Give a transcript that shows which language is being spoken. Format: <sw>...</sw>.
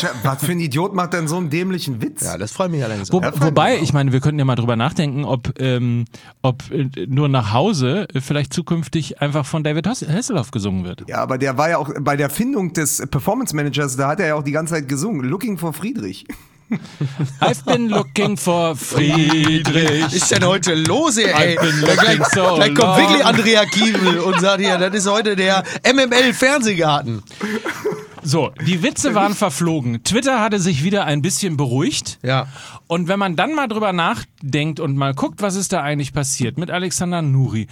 <de>Was für ein Idiot macht denn so einen dämlichen Witz? Ja, das freut mich allerdings. Wobei, ich meine, wir könnten ja mal drüber nachdenken, ob nur nach Hause vielleicht zukünftig einfach von David Hasselhoff gesungen wird. Ja, aber der war ja auch bei der Findung des Performance Managers, da hat er ja auch die ganze Zeit gesungen,</de> <en>Looking for Friedrich. I've been looking for Friedrich.</en> <de>Was ist denn heute los hier, ey? Gleich kommt wirklich Andrea Kiewel und sagt hier, das ist heute der MML-Fernsehgarten. So, die Witze waren verflogen. Twitter hatte sich wieder ein bisschen beruhigt. Ja. Und wenn man dann mal drüber nachdenkt und mal guckt, was ist da eigentlich passiert mit Alexander Nuri,</de>